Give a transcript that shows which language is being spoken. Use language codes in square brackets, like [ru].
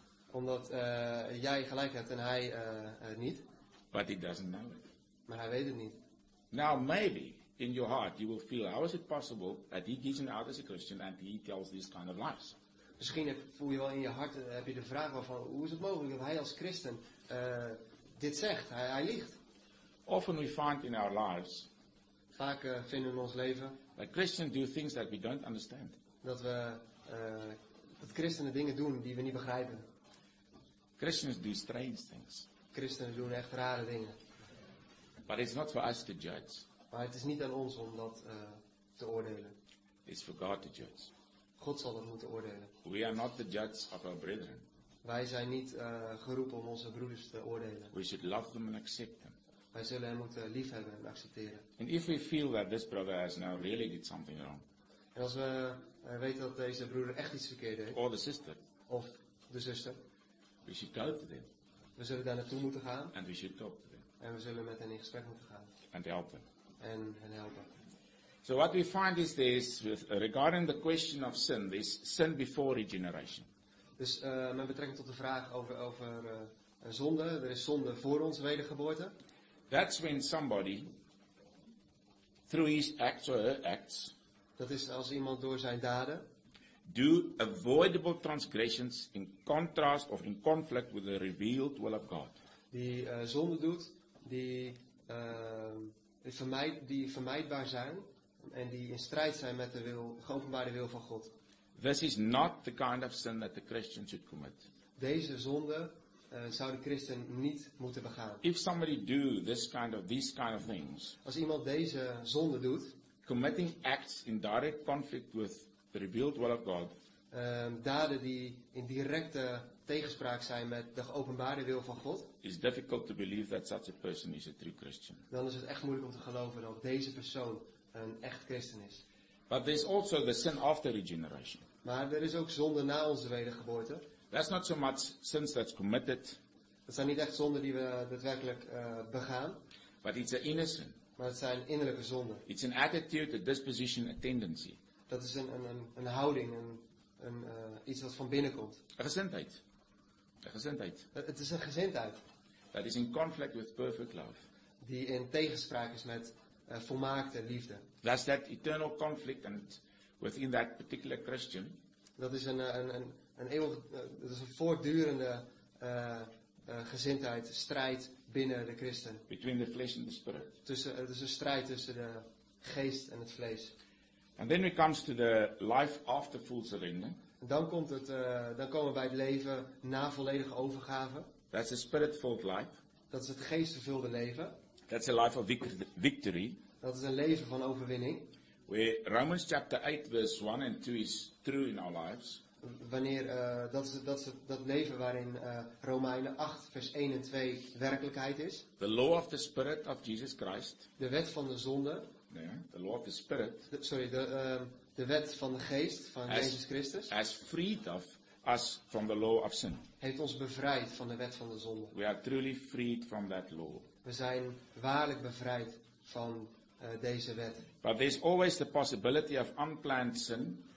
[nl] Omdat jij gelijk hebt en hij niet. [en] But he doesn't know it. [nl] Maar hij weet het niet. [en] Now maybe in your heart you will feel, how is it possible that he isn't out as a Christian and he tells these kind of lies? [nl] Misschien voel je wel in je hart, heb je de vraag waarvan, hoe is het mogelijk dat hij als Christen dit zegt? Hij liegt. [en] Often we find in our lives. [nl] Vaak vinden we in ons leven. [en] That Christians do things that we don't understand. [nl] Dat we dat christenen dingen doen die we niet begrijpen. [en] Christians do strange things. [nl] Christenen doen echt rare dingen. [en] But it's not for us to judge. [nl] Maar het is niet aan ons om dat te oordelen. [en] It's for God to judge. [nl] God zal dat moeten oordelen. [en] We are not the judge of our brethren. [nl] Wij zijn niet geroepen om onze broeders te oordelen. [en] We should love them and accept them. [nl] Wij zullen hem moeten liefhebben en accepteren. [en] And if we feel that this brother has now really did something wrong. [nl] En als we weten dat deze broeder echt iets verkeerd heeft. [en] Or the sister. [nl] Of de zuster. [en] We should go to them. [nl] We zullen daar naartoe moeten gaan. [en] And we should talk to them. [nl] En we zullen met hen in gesprek moeten gaan. [en] And help them. [nl] En hen helpen. [en] So what we find is this, with regarding the question of sin, this sin before regeneration. [nl] Dus met betrekking tot de vraag over een zonde, er is zonde voor ons wedergeboorte. [en] That's when somebody, through his acts or her acts, [nl] dat is als iemand door zijn daden, [en] do avoidable transgressions in contrast of in conflict with the revealed will of God. [nl] Die zonde doet, die vermijdbaar zijn en die in strijd zijn met de wil, geopenbaarde wil van God. [en] This is not the kind of sin that the Christian should commit. [nl] Deze zonde zou de christen niet moeten begaan. [en] If somebody do this kind of these kind of things, [nl] als iemand deze zonde doet, [en] committing acts in direct conflict with the revealed will of God, [nl] daden die in directe tegenspraak zijn met de geopenbaarde wil van God, [en] is difficult to believe that such a person is a true Christian. [nl] Dan is het echt moeilijk om te geloven dat deze persoon een echt christen is. [en] But there's also the sin after regeneration. [nl] Maar er is ook zonde na onze wedergeboorte. [en] That's not so much sins that's committed. [nl] Dat zijn niet echt zonden die we daadwerkelijk begaan. [en] But it's an inner sin. [nl] Maar het zijn innerlijke zonden. [en] It's an attitude, a disposition, a tendency. [nl] Dat is een houding, iets wat van binnenkomt. Een gezindheid. Een gezindheid. Het is een gezindheid. [en] That is in conflict with perfect love. [nl] Die in tegenspraak is met volmaakte liefde. [en] That's that eternal conflict and within that particular Christian. [nl] Dat is een voortdurende gezindheid, strijd binnen de christen. [en] Between the flesh and the spirit. [nl] Het is een strijd tussen de geest en het vlees. [en] And then we comes to the life after full surrender. [nl] Dan komen we bij het leven na volledige overgave. [en] That's a spirit-filled life. [nl] Dat is het geestvervulde leven. [en] That's a life of victory. [nl] Dat is een leven van overwinning. [en] Where Romans chapter 8 verse 1 and 2 is true in our lives. [nl] Wanneer dat leven waarin Romeinen 8 vers 1 en 2 werkelijkheid is. [en] The law of the spirit of Jesus Christ. [nl] De wet van de zonde. [en] Yeah, the law of the spirit. [nl] De wet van de geest van Jezus Christus. [en] Has freed us from the law of sin. [nl] Heeft ons bevrijd van de wet van de zonde. [en] We are truly freed from that law. [nl] We zijn waarlijk bevrijd van deze wet. [en] But there's always the possibility of unplanned sin.